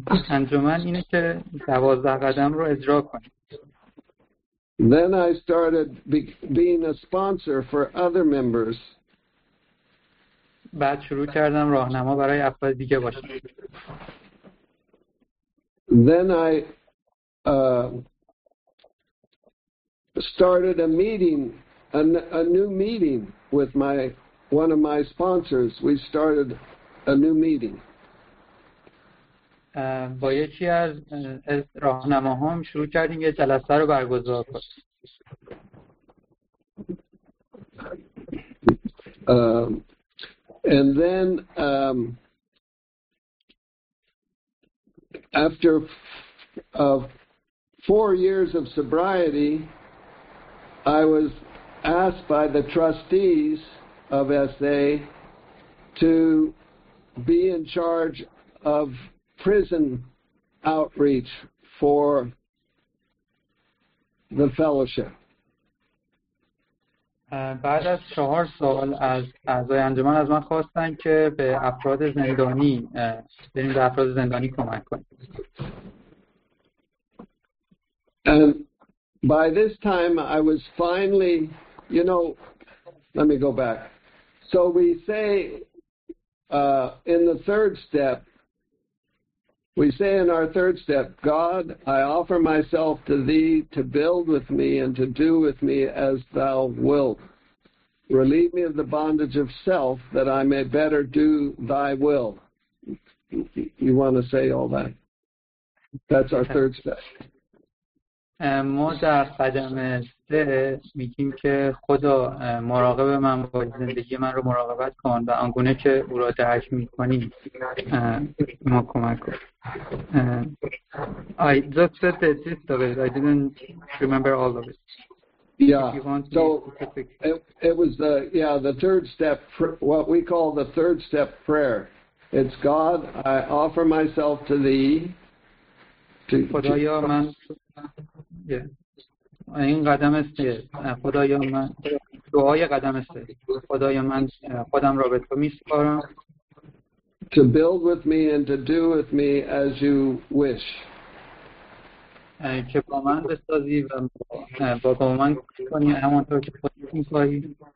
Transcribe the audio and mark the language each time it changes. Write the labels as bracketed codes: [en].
[fa] انجمن اینه که 12 قدم رو اجرا کنیم. [en] Then I started being a sponsor for other members. [fa] بعد شروع کردم راهنما برای افراد دیگه باشم. [en] Then I started a meeting, a new meeting with my one of my sponsors. We started a new meeting. [fa] با یکی از راهنماهام شروع کردیم یه جلسه رو برگزار کنیم. [en] And then after of 4 years of sobriety, I was asked by the trustees of SA to be in charge of prison outreach for the fellowship. [fa] بعد از 4 سال از اعضای انجمن از من خواستن که به افراد زندانی بریم، به افراد زندانی کمک کنیم. [en] And by this time I was finally, you know, let me go back. So we say in the third step, we say in our third step, God, I offer myself to thee to build with me and to do with me as thou wilt. Relieve me of the bondage of self that I may better do thy will. You want to say all that? That's our third step. [fa] ما در قدم سه میگیم که خدا مراقب من باید، زندگی من رو مراقبت کن و آنگونه که او را درک میکنی ما کمک کن. [en] I just said the gist of it. I didn't remember all of it. Yeah. So it was the third step, what we call the third step prayer. It's God, I offer myself to thee. [fa] خدایا من این قدم است، خدایا من دعای قدم است، خدایا من خودم را به تو می سپارم. [en] To build with me and to do with me as you wish. [fa] که با من بسازی و با من کنی همانطور که خودت می خواهی.